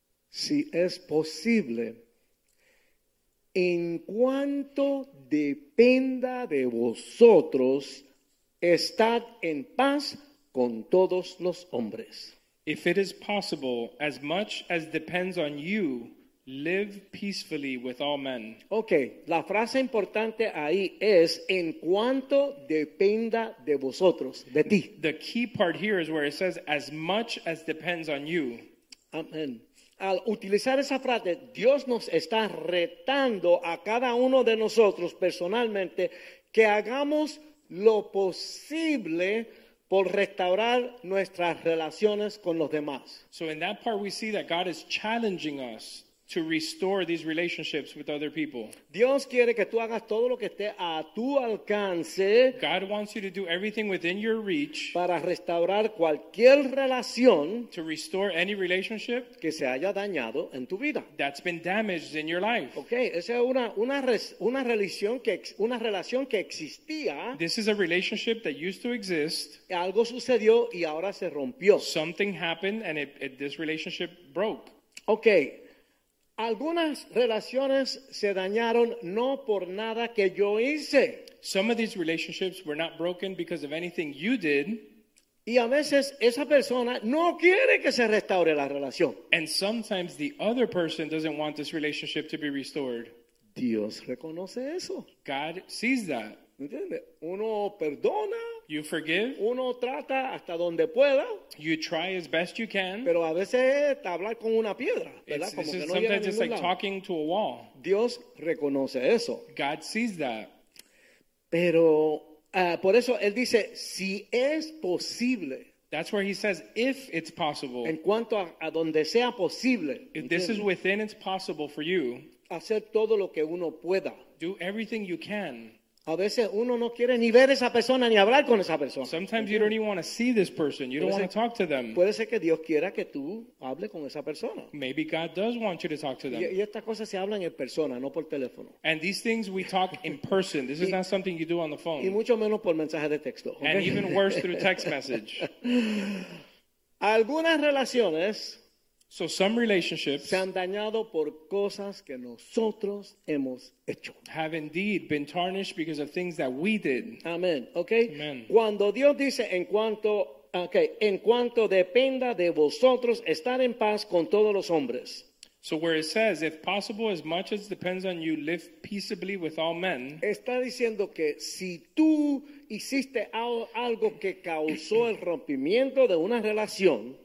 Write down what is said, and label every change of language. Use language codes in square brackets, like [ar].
[es] Si es posible, en cuanto dependa de vosotros, estad en paz con todos los hombres. [en] If it is possible, as much as depends on you, live peacefully with all men. [es] Okay, la frase importante ahí es, en cuanto dependa de vosotros, de ti. [en] The key part here is where it says, as much as depends on you. Amen. [es] Al utilizar esa frase, Dios nos está retando a cada uno de nosotros personalmente que hagamos lo posible por restaurar nuestras relaciones con los demás. [en] So in that part we see that God is challenging us to restore these relationships with other people. [es] Dios quiere que tú hagas todo lo que esté a tu alcance. [en] God wants you to do everything within your reach. [es] Para restaurar cualquier relación. [en] To restore any relationship. [es] Que se haya dañado en tu vida. [en] That's been damaged in your life. [es] Okay, esa es una relación que existía. [en] This is a relationship that used to exist. [es] Algo sucedió y ahora se rompió. [en] Something happened and this relationship broke. Okay. [es] Algunas relaciones se dañaron no por nada que yo hice. [en] Some of these relationships were not broken because of anything you did. [es] Y a veces esa persona no quiere que se restaure la relación. [en] And sometimes the other person doesn't want this relationship to be restored. [es] Dios reconoce eso. [en] God sees that. [es] ¿Entiende? Uno perdona. [en] You forgive. [es] Uno trata hasta donde pueda. [en] You try as best you can. [es] Pero a veces es hablar con una piedra, ¿verdad? Como que no llega a ningún lado. [en] Sometimes it's like talking to a wall. [es] Dios reconoce eso. [en] God sees that. [es] Pero por eso él dice, si es posible. [en] That's where he says, if it's possible. [es] En cuanto a donde sea posible. [en] If this is within it's possible for you. [es] Hacer todo lo que uno pueda. [en] Do everything you can. [es] A veces uno no quiere ni ver esa persona ni hablar con esa persona. [en] Sometimes you don't even want to see this person. You don't want to talk to them. [es] Puede ser que Dios quiera que tú hable con esa persona. [en] Maybe God does want you to talk to them. [es] Y estas cosas se hablan en persona, no por teléfono. [en] And these things we talk in person. This is not something you do on the phone. [es] Y mucho menos por mensaje de texto. Okay? [en] And even worse through text message. [es] Algunas relaciones. [en] So some relationships [es] se han dañado por cosas que nosotros hemos hecho. [en] Have indeed been tarnished because of things that we did. Amen. Okay. Amen. [es] Cuando Dios dice en cuanto dependa de vosotros estar en paz con todos los hombres. [en] So where it says, if possible, as much as depends on you, live peaceably with all men. [es] Está diciendo que si tú hiciste algo que causó el rompimiento de una relación.